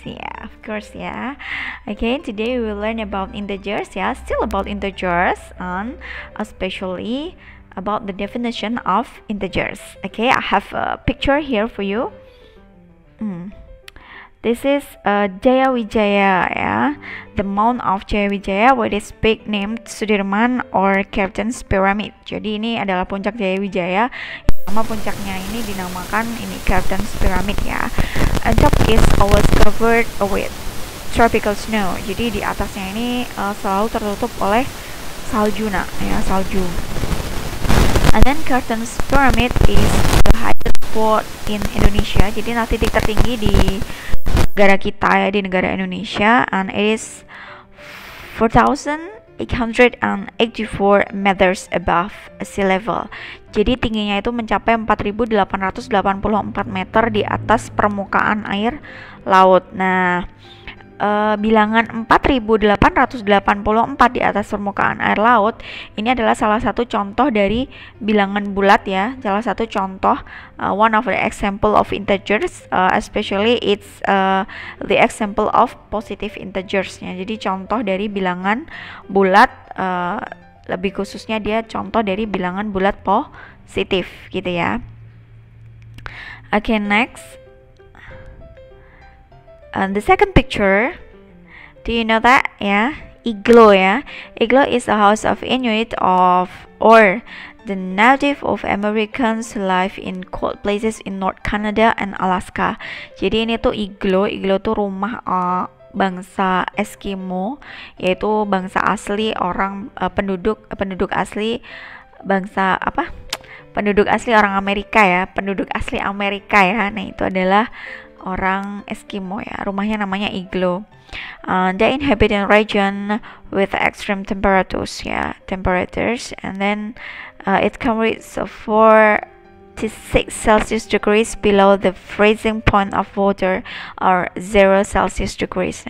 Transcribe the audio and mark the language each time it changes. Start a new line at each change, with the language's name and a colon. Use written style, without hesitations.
English: Yeah, of course yeah. Okay, today we will learn about integers, yeah, still about integers and especially about the definition of integers. Okay, I have a picture here for you. This is Jayawijaya, yeah, the Mount of Jayawijaya, which is big named Sudirman or Captain's Pyramid.
Indonesian: Jadi ini adalah puncak Jayawijaya. Nama puncaknya ini dinamakan ini Captain's Pyramid, ya.
English: And top is always covered with tropical snow.
Indonesian: Jadi di atasnya ini selalu tertutup oleh salju, nah, ya, salju.
English: And then Captain's Pyramid is the highest spot in Indonesia.
Indonesian: Jadi nah, titik tertinggi di negara kita ya, di negara Indonesia,
English: and it is 4,884 meters above sea level.
Indonesian: Jadi tingginya itu mencapai 4,884 meter di atas permukaan air laut. Nah, bilangan 4,884 di atas permukaan air laut ini adalah salah satu contoh dari bilangan bulat ya, salah satu contoh
English: one of the example of integers, especially it's the example of positive integers
Indonesian: ya. Jadi contoh dari bilangan bulat, lebih khususnya dia contoh dari bilangan bulat positif gitu ya.
English: Okay, next. And the second picture, do you know that? Yeah, igloo. Yeah, igloo is a house of Inuit of or the native of Americans live in cold places in North Canada and Alaska.
Indonesian: Jadi ini tuh igloo. Igloo tuh rumah bangsa Eskimo, yaitu bangsa asli orang penduduk asli bangsa apa? Penduduk asli orang Amerika ya. Penduduk asli Amerika ya. Nah itu adalah orang Eskimo ya, rumahnya namanya igloo.
English: They inhabit in region with extreme temperatures ya, yeah, temperatures, and then it can reach 46 Celsius degrees below the freezing point of water or 0 Celsius degrees.